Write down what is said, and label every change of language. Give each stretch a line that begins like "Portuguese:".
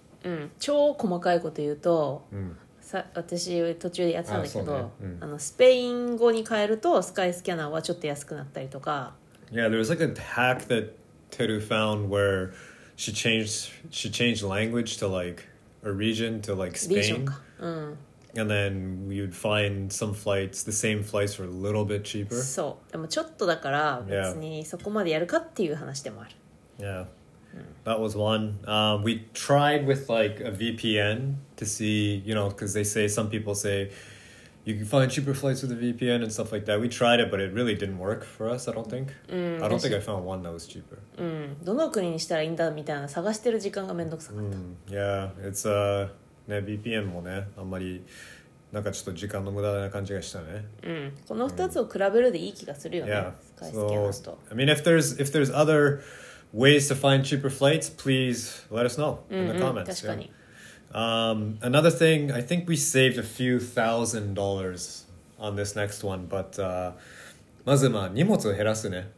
Japanese: うん、超細かいこと言うと、うん私途中でやってたんだけど、あの、スペイン語に変えるとスカイスキャナーはちょっと安くなったりとか
English: Yeah, there was like a hack that Teru found where she changed language to like a region to like Spain、うん、 and then you'd find some flights the same flights were a little bit cheaper
Japanese: そうでもちょっとだから別にそこまでやるかっていう話でもある
English: YeahThat was one. We tried with like a VPN to see, you know, because they say some people say you can find cheaper flights with a VPN and stuff like that. We tried it, but it really didn't work for us. I don't think. I don't think I found one that was cheaper.
Japanese: どの国にしたらいいんだみたいな探してる時間がめんどくさかった。
English: Yeah, it's
Japanese: ね VPN もねあんまりなんかちょっと時間の無駄な感じがしたね。うん、この2つを比べるでいい気がするよね。 Yeah. スカイスキャナーと。
English: I mean, if there's other ways to find cheaper flights, please let us know in the comments.
Japanese: 確かに。
English: Another thing, I think we saved a few thousand dollars on this next one, but
Japanese: まずまあ荷物を減らすね。